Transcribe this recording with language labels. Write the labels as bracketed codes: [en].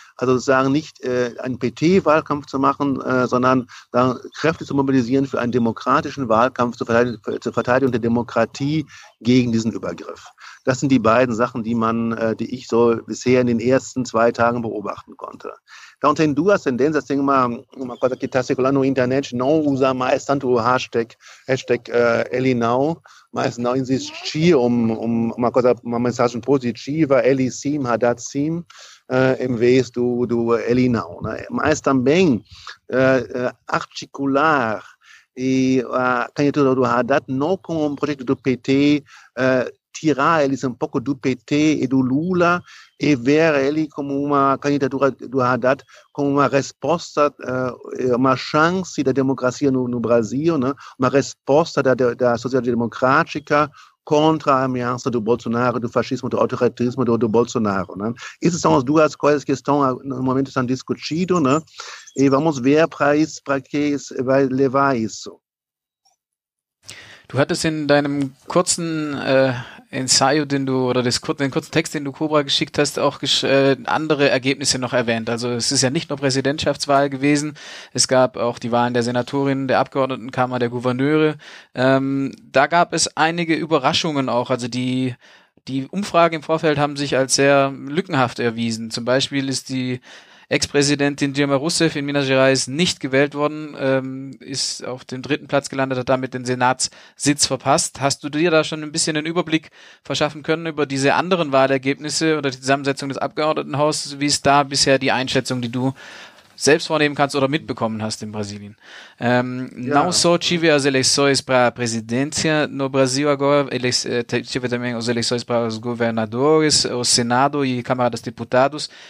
[de] Also sozusagen nicht einen PT-Wahlkampf zu machen, sondern dann Kräfte zu mobilisieren für einen demokratischen Wahlkampf zur Verteidigung der Demokratie gegen diesen Übergriff. Das sind die beiden Sachen, die ich so bisher in den ersten zwei Tagen beobachten konnte. [pt] Então tem duas tendências, tem uma coisa que está circulando na internet, não usa mais tanto o hashtag Ele Não, mas não insistir uma mensagem positiva, Ele Sim, Haddad Sim, em vez do Ele Não. Né? Mas também articular a candidatura do Haddad não com um projeto do PT, tirar eles um pouco do PT e do Lula e ver ele como uma candidatura do Haddad como uma resposta, uma chance da democracia no Brasil, né? Uma resposta da sociedade democrática contra a ameaça do Bolsonaro, do fascismo, do autoritarismo do Bolsonaro. Né? Essas são as duas coisas que estão no momento sendo discutidas, né? E vamos ver para que isso vai levar isso. [de] Du hattest in deinem kurzen Ensayo, den kurzen Text, den du Cobra geschickt hast, auch andere Ergebnisse noch erwähnt. Also es ist ja nicht nur Präsidentschaftswahl gewesen, es gab auch die Wahlen der Senatorinnen, der Abgeordnetenkammer, der Gouverneure. Da gab es einige Überraschungen auch, also die Umfragen im Vorfeld haben sich als sehr lückenhaft erwiesen. Zum Beispiel ist die Ex-Präsidentin Dilma Rousseff in Minas Gerais nicht gewählt worden, ist auf dem dritten Platz gelandet, hat damit den Senatssitz verpasst. Hast du dir da schon ein bisschen einen Überblick verschaffen können über diese anderen Wahlergebnisse oder die Zusammensetzung des Abgeordnetenhauses? Wie ist da bisher die Einschätzung, die du selbst wahrnehmen kannst oder mitbekommen hast in Brasilien. [pt] Não só tive as eleições para a presidência no Brasil agora, tive também as eleições para os governadores, o Senado e camaradas deputados.